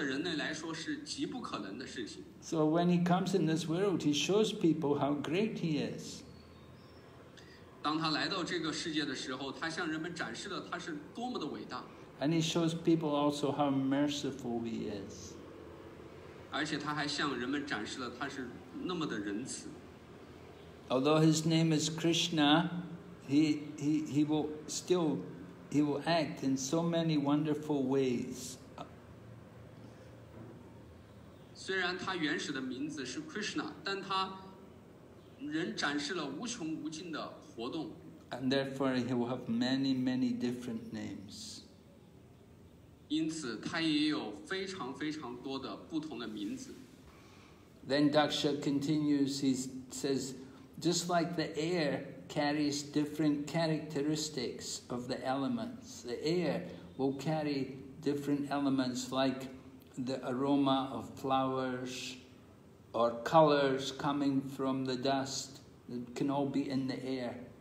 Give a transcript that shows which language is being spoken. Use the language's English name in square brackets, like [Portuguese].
[Chinese] 这对一个普通的人类来说是极不可能的事情。 [English] So when he comes in this world, he shows people how great he is. [Chinese] 当他来到这个世界的时候，他向人们展示了他是多么的伟大。 [English] And he shows people also how merciful he is. [Chinese] 而且他还向人们展示了他是那么的仁慈。 [English] Although his name is Krishna, he will act in so many wonderful ways. [Chinese] 虽然他原始的名字是Krishna, 但他仍展示了无穷无尽的活动。 [English] And therefore he will have many, many different names. [Chinese] 因此他也有非常非常多的不同的名字。 [English] Then Daksha continues, he says, just like the air carries different characteristics of the elements, the air will carry different elements like the aroma of flowers or colors coming from the dust that can all be in the air.